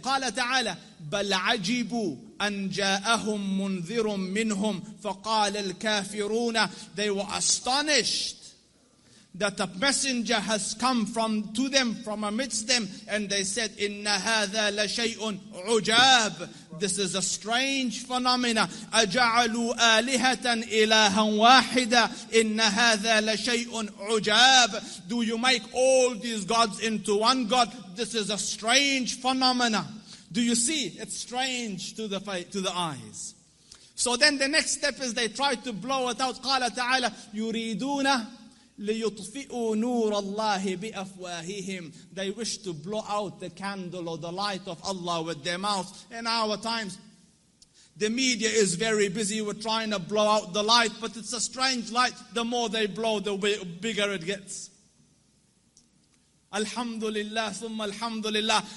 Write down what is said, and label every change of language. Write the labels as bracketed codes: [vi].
[ar] قال تعالى بل عجبوا أن جاءهم منذر منهم فقال الكافرون. [en] They were astonished that a messenger has come from amidst them, and they said [ar] إن هذا لشيء عجاب. [en] This is a strange phenomena. [ar] أجعلوا آلهة إلها واحدة إن هذا لشيء عجاب. [en] Do you make all these gods into one god? This is a strange phenomena. Do you see? It's strange to the eyes. So then the next step is they try to blow it out. [ar] قال تعالى يريدون ليطفئوا نور الله بأفواههم. [en] They wish to blow out the candle or the light of Allah with their mouth. In our times, the media is very busy with trying to blow out the light, but it's a strange light. The more they blow, the bigger it gets. Alhamdulillah, thumma alhamdulillah.